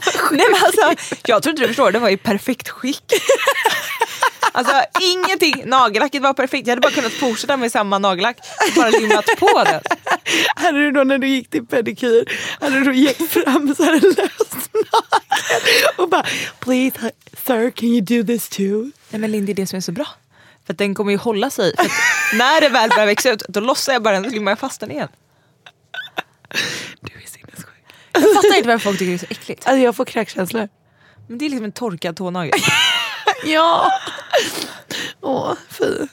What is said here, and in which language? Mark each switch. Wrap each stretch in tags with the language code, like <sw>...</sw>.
<sv>nej, men alltså, jag tror inte du förstår. Den var ju perfekt skick. Alltså ingenting. Nagellacket var perfekt. Jag hade bara kunnat fortsätta med samma nagellack. Bara limmat på den. Hade du då när du gick till pedikyr. Hade du då gick fram så här löst nagel. Och bara,</sv> <en>please sir, can you do this too?</en> <sv>Nej, men Lindy, det som är så bra. För att den kommer ju hålla sig. När det väl börjar växa ut, då lossar jag bara den och limmar fast den igen. Du är sinnessjuk. Jag fattar inte varför folk tycker det är så äckligt. Alltså jag får kräkkänslor. Men det är liksom en torkad tånagel. Ja. Åh, fy.</sv>